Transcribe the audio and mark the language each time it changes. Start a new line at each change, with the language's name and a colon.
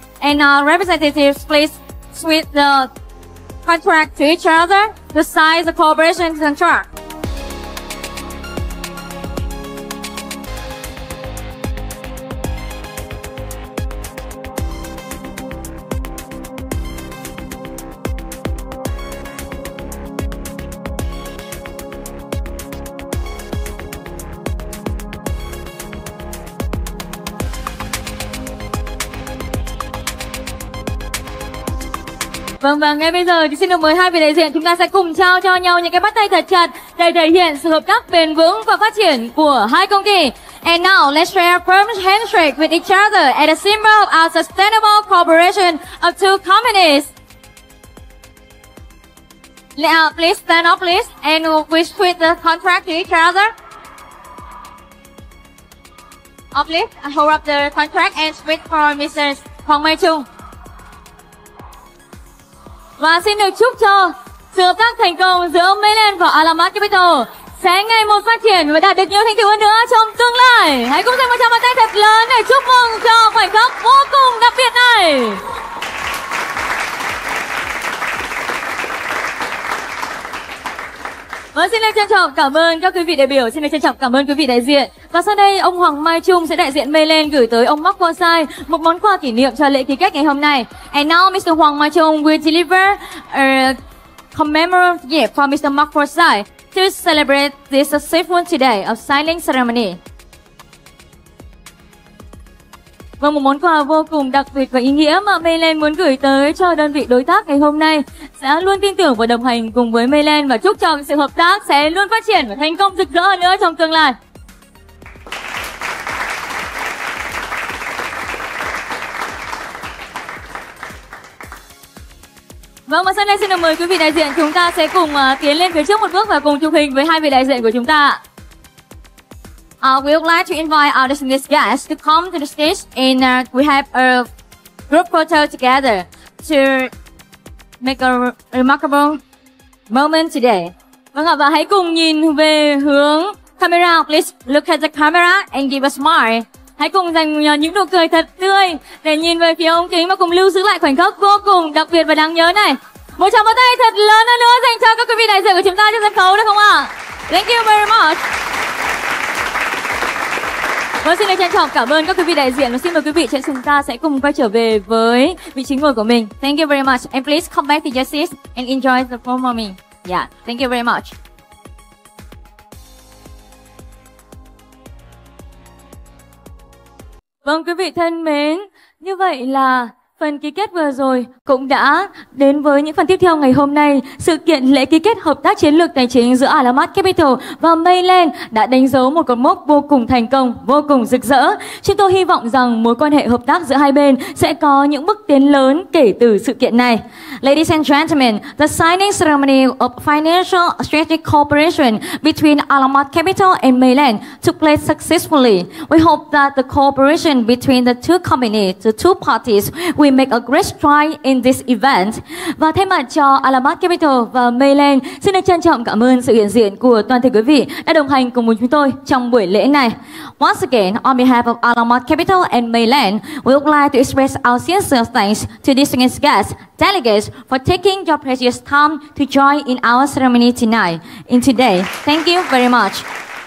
English: And our representatives, please switch the contract to each other to sign the cooperation contract.
Vietnamese: Vâng, và ngay bây giờ thì xin được mời hai vị đại diện, chúng ta sẽ cùng trao cho nhau những cái bắt tay thật chặt để thể hiện sự hợp tác bền vững và phát triển của hai công ty.
English: And now let's share a firm handshake with each other as a symbol of our sustainable cooperation of two companies. Now please stand up please and we switch the contract to each other. Please hold up the contract and switch for Mr. Hoàng Mai Trung.
Vietnamese: Và xin được chúc cho sự hợp tác thành công giữa Mainland và Alamod Capital sẽ ngày một phát triển và đạt được nhiều thành tựu hơn nữa trong tương lai. Hãy cùng dành một tràng pháo tay thật lớn để chúc mừng cho khoảnh khắc vô cùng đặc biệt này. Và xin được trân trọng cảm ơn các quý vị đại biểu, xin được trân trọng cảm ơn quý vị đại diện. Và sau đây ông Hoàng Mai Trung sẽ đại diện Mainland gửi tới ông Mark Forsyth một món quà kỷ niệm cho lễ ký kết ngày hôm nay.
English: And now Mr. Hoàng Mai Trung will deliver a commemorative gift for Mr. Mark Forsyth to celebrate this successful today of signing ceremony.
Vietnamese: Vâng, một món quà vô cùng đặc biệt và ý nghĩa mà Mainland muốn gửi tới cho đơn vị đối tác ngày hôm nay. Sẽ luôn tin tưởng và đồng hành cùng với Mainland và chúc cho sự hợp tác sẽ luôn phát triển và thành công rực rỡ hơn nữa trong tương lai. Vâng, và sau đây xin được mời quý vị đại diện, chúng ta sẽ cùng tiến lên phía trước một bước và cùng chụp hình với hai vị đại diện của chúng ta.
English: We would like to invite our distinguished guests to come to the stage and we have a group photo together to make a remarkable moment today.
Vietnamese: Vâng ạ, và hãy cùng nhìn về hướng camera.
English: Please look at the camera and give a smile.
Vietnamese: Hãy cùng dành những nụ cười thật tươi để nhìn về phía ống kính và cùng lưu giữ lại khoảnh khắc vô cùng đặc biệt và đáng nhớ này. Một tràng pháo tay thật lớn hơn nữa dành cho các quý vị đại diện của chúng ta trên sân khấu được không ạ?
English: Thank you very much.
Vietnamese: Và xin được trân trọng cảm ơn các quý vị đại diện và xin mời quý vị trên chúng ta sẽ cùng quay trở về với vị trí ngồi của mình.
English: Thank you very much and please come back to your seats and enjoy the performing. Yeah, thank you very much.
Vietnamese: Vâng, quý vị thân mến, như vậy là phần ký kết vừa rồi cũng đã đến với những phần tiếp theo ngày hôm nay. Sự kiện lễ ký kết hợp tác chiến lược tài chính giữa Alamat Capital và Mainland đã đánh dấu một cột mốc vô cùng thành công, vô cùng rực rỡ. Chúng tôi hy vọng rằng mối quan hệ hợp tác giữa hai bên sẽ có những bước tiến lớn kể từ sự kiện này.
English: Ladies and gentlemen, the signing ceremony of financial strategic cooperation between Alamat Capital and Mainland took place successfully. We hope that the cooperation between the two companies, the two parties, we make a great stride in this event.
Vietnamese: Và thay mặt cho Alamat Capital và Mainland, xin được trân trọng cảm ơn sự hiện diện của toàn thể quý vị đã đồng hành cùng chúng tôi trong buổi lễ này.
English: Once again, on behalf of Alamat Capital and Mainland, we would like to express our sincere thanks to distinguished guests, delegates, for taking your precious time to join in our ceremony tonight. In today, thank you very much.